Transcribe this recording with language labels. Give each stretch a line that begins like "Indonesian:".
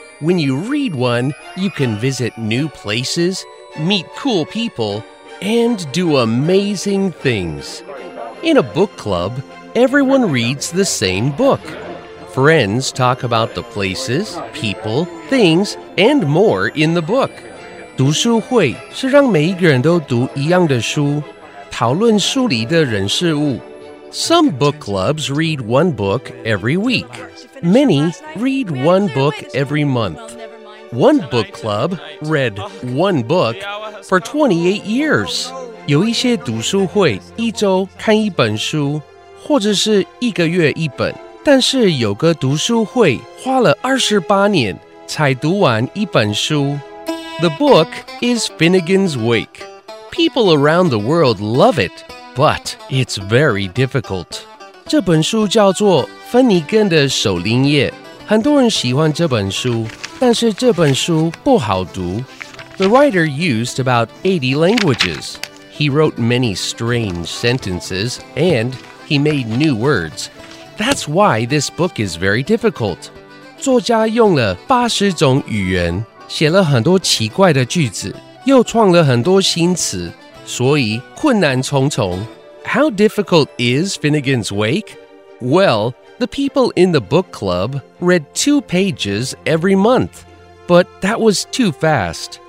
English: When you read one, you can visit new places, meet cool people, and do amazing things. In a book club, everyone reads the same book. Friends talk about the places, people, things, and more in the book.
Chinese: 读书会是让每一个人都读一样的书，讨论书里的人事物。
English: Some book clubs read one book every week. Many read one book every month. One book club read one book for 28 years.
Chinese: 有一些读书会一周看一本书，或者是一个月一本。但是有个读书会花了28年才读完一本书。
English: The book is Finnegan's Wake. People around the world love it. But it's very difficult.
Chinese: 这本书叫做《芬尼根的守靈夜》，很多人喜欢这本书，但是这本书不好读。
English: The writer used about 80 languages. He wrote many strange sentences, and he made new words. That's why this book is very difficult.
Chinese: 作家用了80种语言，写了很多奇怪的句子，又创了很多新词。所以困难重重。
English: How difficult is Finnegan's Wake? Well, the people in the book club read 2 pages every month, but that was too fast.